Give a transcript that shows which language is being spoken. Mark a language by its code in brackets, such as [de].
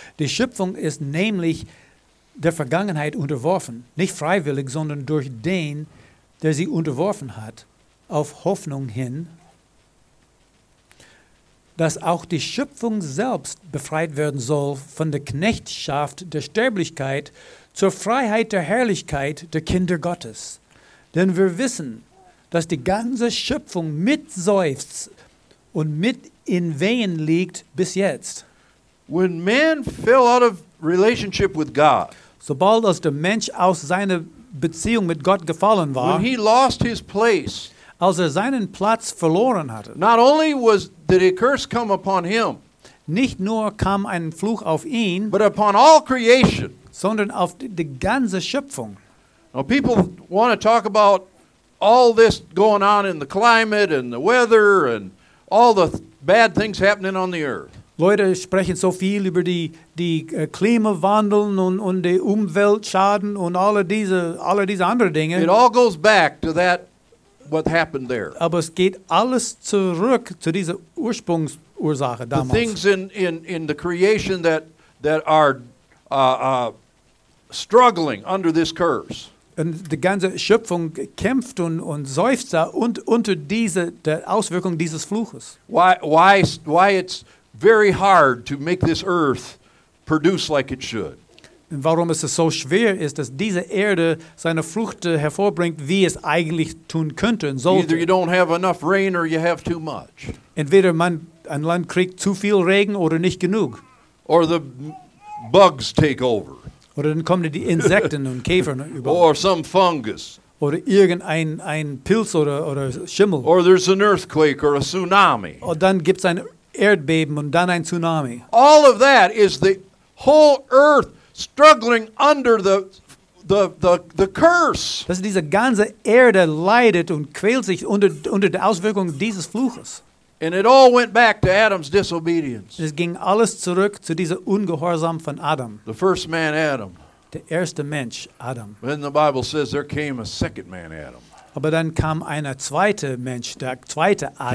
[de] Die Schöpfung ist nämlich der Vergangenheit unterworfen, nicht freiwillig, sondern durch den, der sie unterworfen hat, auf Hoffnung hin, dass auch die Schöpfung selbst befreit werden soll von der Knechtschaft der Sterblichkeit zur Freiheit der Herrlichkeit der Kinder Gottes. Denn wir wissen, dass die ganze Schöpfung mitseufzt und mit in Wehen liegt bis jetzt. [en] When man fell out of relationship with God, [de] sobald als der Mensch aus seiner Beziehung mit Gott gefallen war, [en] when he lost his place, [de] als seinen Platz verloren hatte, [en] not only was did a curse come upon him, [de] nicht nur kam ein Fluch auf ihn, [en] but upon all creation, [de] sondern auf die ganze Schöpfung. [en] Now people want to talk about all this going on in the climate and the weather and all the bad things happening on the earth. [de] Leute sprechen so viel über die Klimawandel und die Umweltschaden und alle diese andere Dinge. [en] It all goes back to that what happened there. [de] Aber es geht alles zurück zu dieser Ursprungsursache damals. [en] The things in the creation that are struggling under this curse. [de] Und die ganze Schöpfung kämpft und seufzt und unter der Auswirkung dieses Fluches. [en] Why it's very hard to make this earth produce like it should. [de] Und warum es so schwer ist, dass diese Erde seine Früchte hervorbringt, wie es eigentlich tun könnte und sollte. [en] Either you don't have enough rain or you have too much. [de] Entweder ein Land kriegt zu viel Regen oder nicht genug. [en] Or the bugs take over. [de] Oder dann kommen die Insekten und Käfer über. [en] Or some fungus. [de] Oder irgendein ein Pilz oder Schimmel. [en] Or there's an earthquake or a tsunami. [de] Und dann gibt's ein Erdbeben und dann ein Tsunami. [en] All of that is the whole earth struggling under the curse. [de] Das ist diese ganze Erde leidet und quält sich unter der Auswirkung dieses Fluches. [en] And it all went back to Adam's disobedience. [de] Es ging alles zurück zu dieser Ungehorsam von Adam. [en] The first man, Adam. [de] Der erste Mensch, Adam. [en] Then the Bible says there came a second man, Adam. [de] Aber dann kam einer zweite Mensch, der zweite Adam.